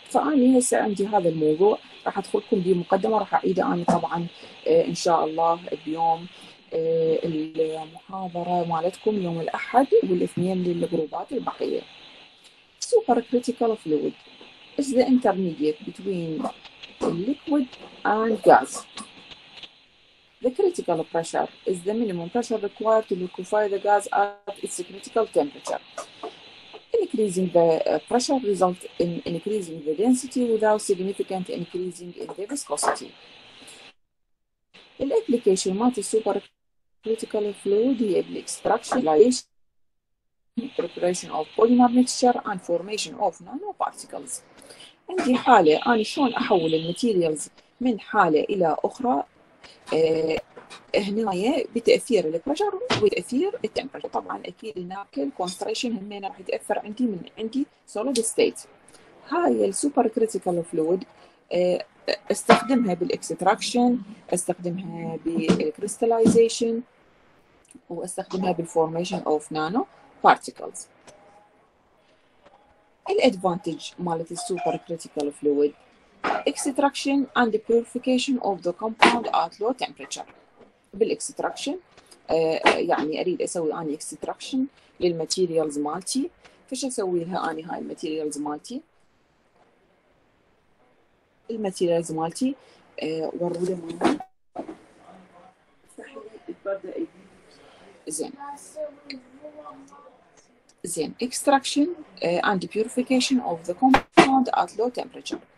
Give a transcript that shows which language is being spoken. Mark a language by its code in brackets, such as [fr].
[ar] فاني هسه عندي هذا الموضوع راح ادخلكم بيه مقدمه، راح اعيده انا طبعا ان شاء الله بيوم المحاضره مالتكم يوم الاحد والاثنين للجروبات البقيه. [en] Super critical fluid is the intermediate between الليكويد and gas. The critical pressure is the minimum pressure required to liquefy the gas at its critical temperature. Increasing the pressure results in increasing the density without significant increasing in the viscosity. The application of the supercritical fluid is the extraction, preparation of polymer mixture and formation of nanoparticles. [ar] عندي حالة أنا شلون أحول الماتيريالز من حالة إلى أخرى هنا بتاثير البريشر وتاثير التمبرشر. طبعا اكيد هناك الكونستريشن هم راح يتاثر عندي من عندي سوليد ستيت. هاي السوبر كريتيكال فلويد استخدمها بالاكستراكشن، استخدمها بالكريستلايزيشن، واستخدمها بالفورميشن اوف نانو بارتيكلز. [en] الادفانتج مالت السوبر critical fluid extraction and the purification of the compound at low temperature. [ar] بالاكستراكشن يعني اريد اسوي اني اكستراكشن للماتيريالز مالتي، فش اسوي لها اني هاي الماتيريالز مالتي؟ الماتيريالز مالتي ورودة مالتي زين زين [en] extraction and the purification of the compound at low temperature.